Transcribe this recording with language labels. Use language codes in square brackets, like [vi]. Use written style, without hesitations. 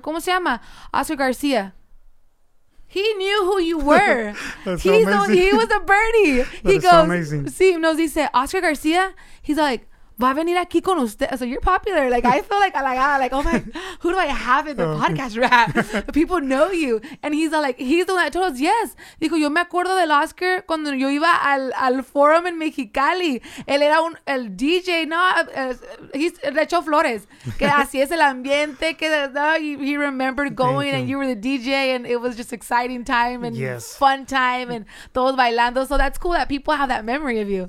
[en] ¿Cómo se llama? Oscar Garcia. He knew who you were. He was a birdie. That is so amazing. [es] Sí, no, dice, Oscar Garcia, he's like, va a venir aquí con usted. So you're popular. [en] Like, I feel like, oh my, who do I have in the podcast rap? People know you. And he's like, he's the one that told us, yes. [es] Dijo, yo me acuerdo del Oscar cuando yo iba al forum en Mexicali. Él era el DJ, no, he's le echó flores. Que así es el ambiente. [en] Que he remembered going and you were the DJ and it was just exciting time and fun time and todos bailando. So that's cool that people have that memory of you.